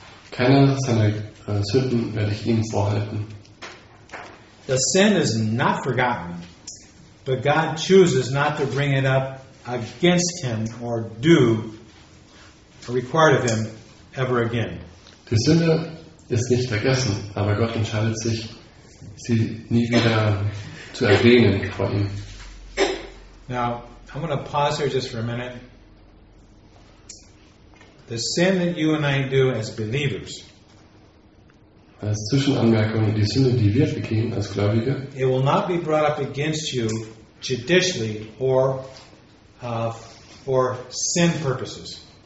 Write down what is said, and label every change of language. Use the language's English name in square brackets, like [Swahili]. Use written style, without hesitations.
[German] Keine seiner Sünden werde ich ihm vorhalten. [English] The sin is not forgotten, but God chooses not to bring it up against him or do or required of him ever again. [German] Die Sünde ist nicht vergessen, aber Gott entscheidet sich, sie nie wieder zu erwähnen vor ihm. [English] Now, I'm going to pause here just for a minute. The sin that you and I do as believers, [German] als Zwischenanmerkung, die Sünde, die wir begehen als Gläubige, [English] it will not be brought up against you judicially or for sin purposes.